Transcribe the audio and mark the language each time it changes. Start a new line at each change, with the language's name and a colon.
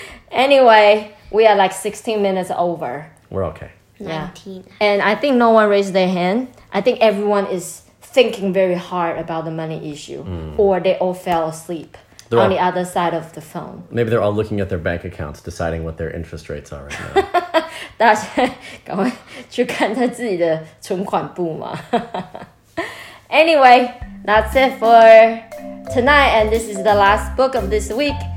English: Anyway, we are like 16 minutes over. We're okay. 19. Yeah. And I think no one raised their hand. I think everyone is thinking very hard about the money issue. Hmm. Or they all fell asleep they're on all, the other side of the phone. Maybe they're all looking at their bank accounts, deciding what their interest rates are right now.
Chinese: 大家赶快去看他自己的存款簿嘛。
English: Anyway, that's it for tonight, and this is the last book of this week.